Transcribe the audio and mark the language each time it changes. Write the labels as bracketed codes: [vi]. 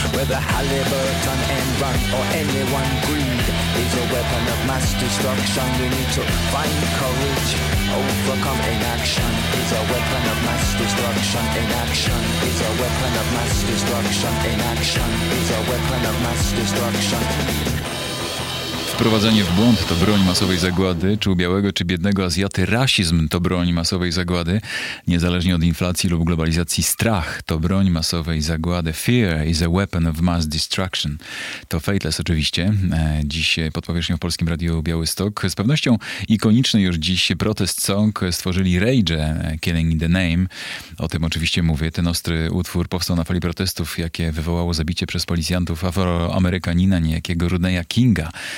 [en] Whether Halliburton, Enron or anyone, greed is a weapon of mass destruction. We need to find courage, overcome. Inaction is a weapon of mass destruction. Inaction is a weapon of mass destruction. Inaction is a weapon of mass destruction. [pl] Wprowadzenie w błąd to broń masowej zagłady. Czy u białego, czy biednego Azjaty rasizm to broń masowej zagłady? Niezależnie od inflacji lub globalizacji, strach to broń masowej zagłady. [en] Fear is a weapon of mass destruction. [pl] To Faithless oczywiście. Dziś pod powierzchnią w Polskim Radiu Białystok. Z pewnością ikoniczny już dziś protest song stworzyli Rage, Killing in the Name. O tym oczywiście mówię. Ten ostry utwór powstał na fali protestów, jakie wywołało zabicie przez policjantów afroamerykanina niejakiego Rodneya Kinga.